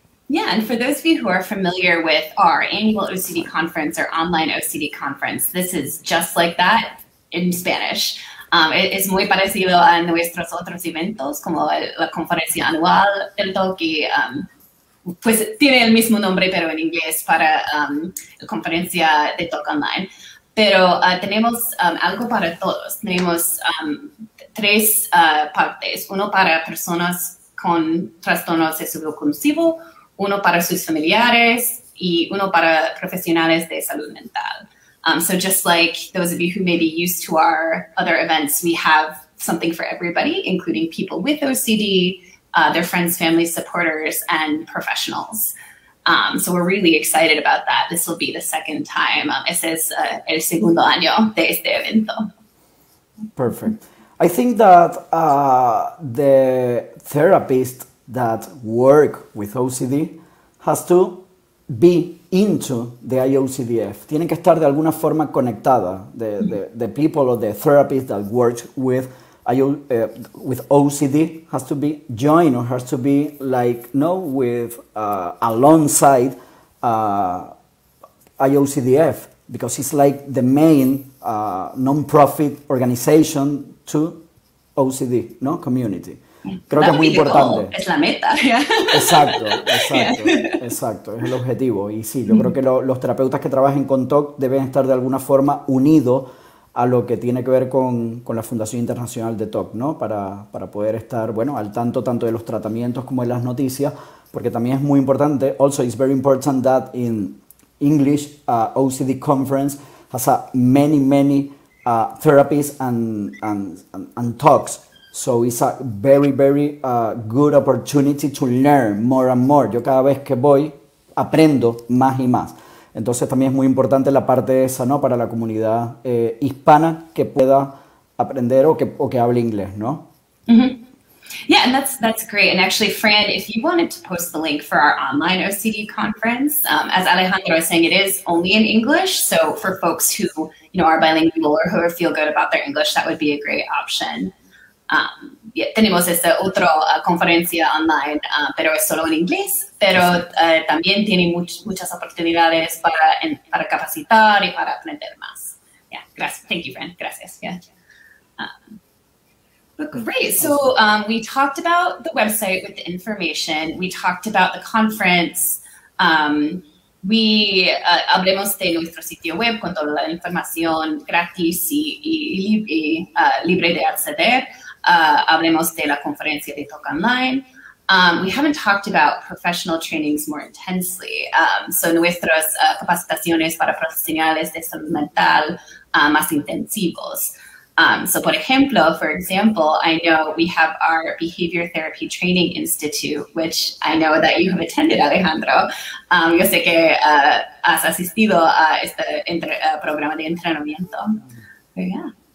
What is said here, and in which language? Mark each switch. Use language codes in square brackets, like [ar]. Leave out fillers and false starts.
[en] Yeah, and for those of you who are familiar with our annual OCD conference or online OCD conference, this is just like that in Spanish. [es] Es muy parecido a nuestros otros eventos, como la conferencia anual, el TOC, pues tiene el mismo nombre, pero en inglés, para la conferencia de TOC Online. Pero tenemos algo para todos. Tenemos tres partes. Uno para personas con trastorno obsesivo compulsivo, uno para sus familiares y uno para profesionales de salud mental. [en] So just like those of you who may be used to our other events, we have something for everybody, including people with OCD, their friends, family, supporters, and professionals. So we're really excited about that. This will be the second time. [es] Ese es el segundo año de este evento. [en] Perfect. I think that the therapist that work with OCD has to be into the IOCDF. [es] Tienen que estar de alguna forma conectada. [en] The people or the therapist that works with with OCD has to be joined or has to be like, no, with alongside IOCDF, because it's like the main non-profit organization to OCD, no, community. [es] Creo que es muy importante. Es la meta. Exacto. Es el objetivo. Y sí, yo creo que los terapeutas que trabajen con TOC deben estar de alguna forma unidos a lo que tiene que ver con la Fundación Internacional de TOC, ¿no? Para poder estar, bueno, al tanto tanto de los tratamientos como de las noticias, porque también es muy importante. [en] Also, it's very important that in English OCD conference has a many, many therapies and talks. So it's a very, very good opportunity to learn more and more. [es] Yo cada vez que voy, aprendo más y más. Entonces también es muy importante la parte esa, ¿no? Para la comunidad hispana que pueda aprender o que hable inglés, ¿no? [en] Mm-hmm. Yeah, and that's great. And actually, Fran, if you wanted to post the link for our online OCD conference, as Alejandro was saying, it is only in English. So for folks who, you know, are bilingual or who feel good about their English, that would be a great option. [es] Tenemos esta otra conferencia online, pero es solo en inglés, pero también tiene muchas oportunidades para capacitar y para aprender más. [en] Yeah, gracias. Thank you, Fran. Gracias. Yeah. But great. So we talked about the website with the information. We talked about the conference. [es] Hablemos de nuestro sitio web con toda la información gratis y libre de acceder. Hablemos de la conferencia de TOC Online. [en] We haven't talked about professional trainings more intensely. [es] So nuestras capacitaciones para profesionales de salud mental más intensivos. [en] For example, I know we have our Behavior Therapy Training Institute, which I know that you have attended, Alejandro. [es] Yo sé que has asistido a este programa de entrenamiento.